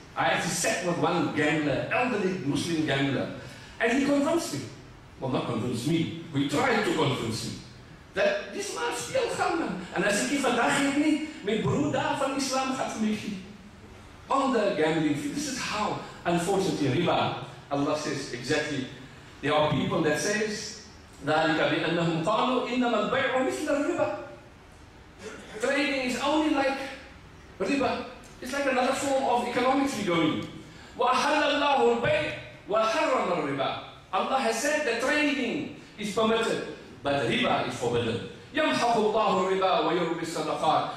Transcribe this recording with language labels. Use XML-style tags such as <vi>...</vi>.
<en>I actually sat with one gambler, elderly Muslim gambler, and he convinced me. Well, not convinced me, we tried to convince him that this man is still coming. And I said, if I die, my brother from Islam has me on the gambling field. This is how, unfortunately, riba, Allah says exactly. There are people that says,</en> <ar>ذَلِكَ بِأَنَّهُمْ قَالُوا إِنَّمَا الْبَيْعُ مِثْلَ الرِّبَى.</ar> <en>Trading is only like riba. It's like another form of economics we're going.</en> <ar>وَأَحَلَّ اللَّهُ الْبَيْعُ وَحَرَّمَ الرِّبَى.</ar> <en>Allah has said that trading is permitted, but riba is forbidden.</en> <ar>يَمْحَقُ اللَّهُ الرِّبَى وَيُرْبِي الصَّدَقَاتِ.</ar>